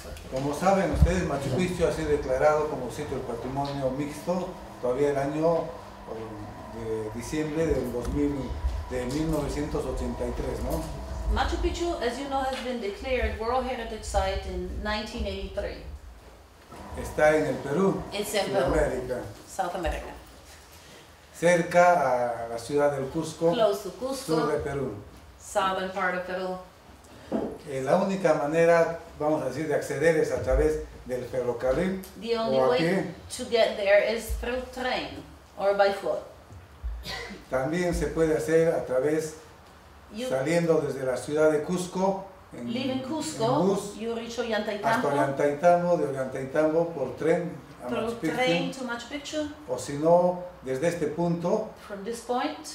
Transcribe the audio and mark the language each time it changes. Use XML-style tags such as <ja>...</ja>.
<es>Como saben ustedes, Machu Picchu ha sido declarado como sitio de patrimonio mixto todavía el año de diciembre del 1983, ¿no?</es> <en>Machu Picchu, as you know, has been declared World Heritage Site in 1983.</en> <es>Está en el Perú.</es> <en>It's in Sudamérica. Peru. South America.</en> <es>Cerca a la ciudad del Cusco.</es> <en>Close to Cusco.</en> <es>Sur de Perú.</es> <en>Southern part of Peru.</en> <es>La única manera, vamos a decir, de acceder es a través del ferrocarril.</es> <en>The only way to get there is through train or by foot.</en> <es>También se puede hacer a través saliendo desde la ciudad de Cusco en bus,</es> <en>you reach Ollantaytambo,</en> <es>hasta Ollantaytambo, de Ollantaytambo por tren a Machu Picchu,</es> <en>train to Machu Picchu,</en> <es>o si no desde este punto</es> <en>from this point,</en>